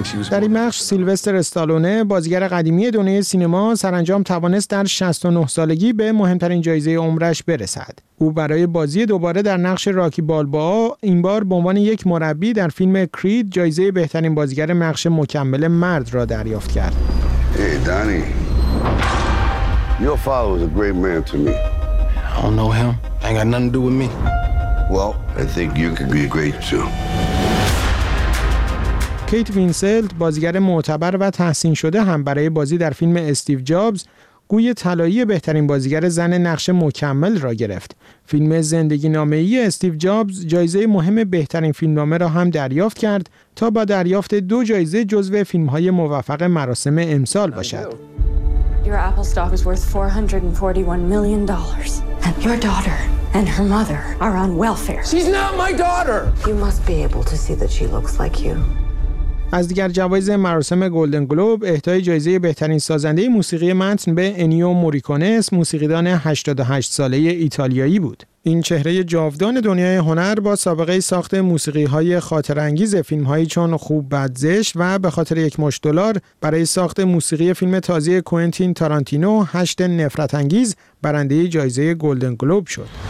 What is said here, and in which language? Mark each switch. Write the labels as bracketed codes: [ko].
[fa] در این بخش سیلوستر استالونه بازیگر قدیمی دنیای سینما سرانجام توانست در 69 سالگی به مهمترین جایزه عمرش برسد. او برای بازی دوباره در نقش راکی بالبا این بار به عنوان یک مربی در فیلم کرید جایزه بهترین بازیگر نقش مکمل مرد را دریافت کرد. [en] Hey Danny. Your father was a great man to me. I don't know him. I ain't got nothing to do with me. Well, I think you could be great too. [fa] کیت وینسلت بازیگر معتبر و تحسین شده هم برای بازی در فیلم استیو جابز گوی طلایی بهترین بازیگر زن نقش مکمل را گرفت. فیلم زندگی نامه ای استیو جابز جایزه مهم بهترین فیلمنامه را هم دریافت کرد تا با دریافت 2 جایزه جزو فیلم های موفق مراسم امسال باشد. [en] Your Apple stock is worth $441 million. And your daughter and her mother are on welfare. She's not my daughter. You must be able to see that she looks like you. [fa] از دیگر جوایز مراسم گلدن گلوب اهدای جایزه بهترین سازنده موسیقی متن به انیو موریکونه موسیقیدان 88 ساله ایتالیایی بود. این چهره جاودان دنیای هنر با سابقه ساخت موسیقی‌های خاطره‌انگیز فیلم‌هایی چون خوب بد زشت و به خاطر یک مشت دلار برای ساخت موسیقی فیلم تازه کوئنتین تارانتینو 8 نفرت‌انگیز برنده جایزه گلدن گلوب شد.